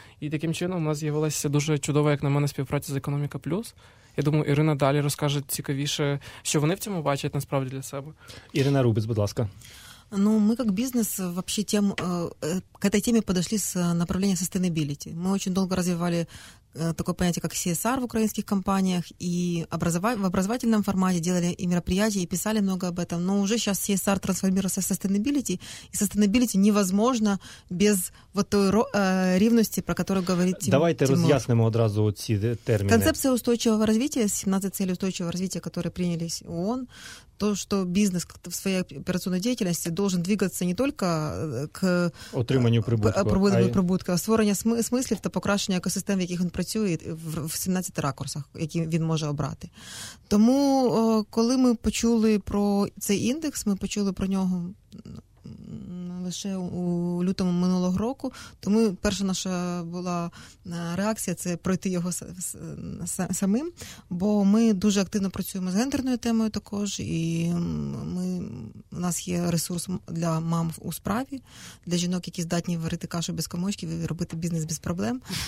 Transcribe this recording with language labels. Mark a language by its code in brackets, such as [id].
[uk] І таким чином у нас з'явилася дуже чудова, як на мене, співпраця з «Економіка Плюс». Я думаю, Ірина далі розкаже цікавіше, що вони в цьому бачать насправді для себе. Ірина Рубіс, будь ласка. [ru] Ну, мы как бизнес вообще к этой теме подошли с направления sustainability. Мы очень долго развивали такое понятие, как CSR в украинских компаниях, и в образовательном формате делали и мероприятия, и писали много об этом. Но уже сейчас CSR трансформировался в sustainability, и sustainability невозможно без вот той рівності, про которую говорит Тимур. [uk] Давайте роз'яснимо одразу ці терміни. [ru] Концепция устойчивого развития, 17 целей устойчивого развития, которые принялись ООН, то, что бизнес в своей операционной деятельности должен двигаться не только к [uk] отриманию прибутка, а створення смыслов та покращення екосистем, в яких він працює, в 17 ракурсах, які він може обрати. Тому, коли ми почули про цей індекс, ми почули про нього лише у лютому минулого року, то ми, перша наша була реакція – це пройти його самим, бо ми дуже активно працюємо з гендерною темою також, і у нас є ресурс для мам у справі, для жінок, які здатні варити кашу без комочків і робити бізнес без проблем.